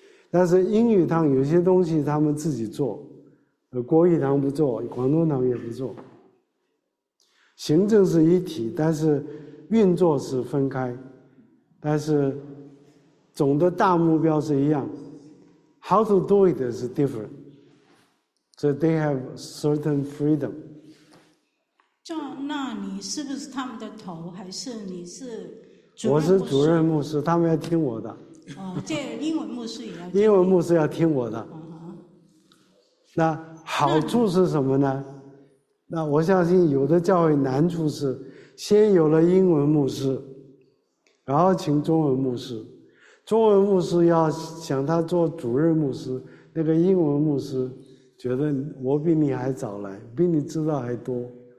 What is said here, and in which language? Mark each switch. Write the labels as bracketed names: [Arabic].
[Chinese] 但是英语堂有些东西他们自己做，国语堂不做，广东堂也不做。行政是一体，但是运作是分开，但是总的大目标是一样。 [English] How to do it is different， so they have certain freedom。 [Chinese] 那你是不是他们的头，还是你是主任？我是主任牧师，他们要听我的。这英文牧师也要听。英文牧师要听我的。那好处是什么呢？那我相信有的教会难处是先有了英文牧师，然后请中文牧师，中文牧师要想他做主任牧师，那个英文牧师觉得我比你还早来，比你知道还多。